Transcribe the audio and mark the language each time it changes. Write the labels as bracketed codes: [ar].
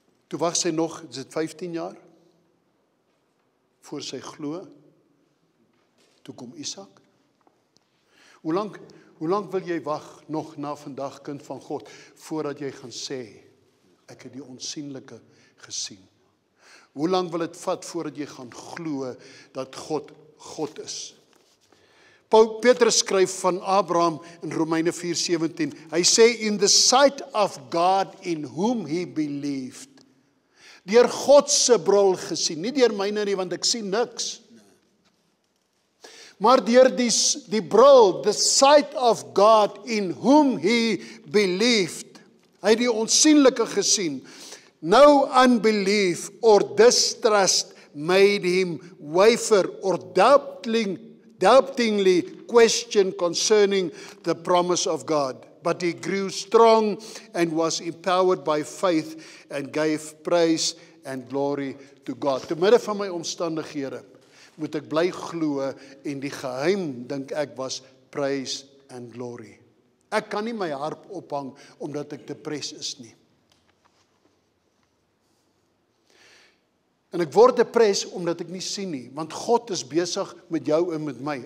[af] Toe wacht sy nog, is dit 15 jaar? Voor sy glo, toe kom Isaac. Hoe lang wil jy wacht nog na vandag, kind van God, voordat jy gaan sê, ek het die onsienlike gesien? Hoe lang wil het vat voordat jy gaan glo dat God is? Petrus skryf van Abraham in Romeine 4:17. Hy sê, [en] in the sight of God in whom he believed. [af] Deur Godse bril gesien, nie deur myne nie, want ek sien niks. Maar deur die bril, [en] the sight of God in whom he believed. [af] Hy het die onsienlike gesien. [en] No unbelief or distrust made him waver or doubtingly question concerning the promise of God. But he grew strong and was empowered by faith and gave praise and glory to God. [af] Te midde van my omstandighede moet ek bly glo en die geheim, denk ek, was [en] praise and glory. [af] Ek kan nie my harp ophang omdat ek depres is nie. En ek word depres omdat ek nie sien nie, want God is bezig met jou en met my.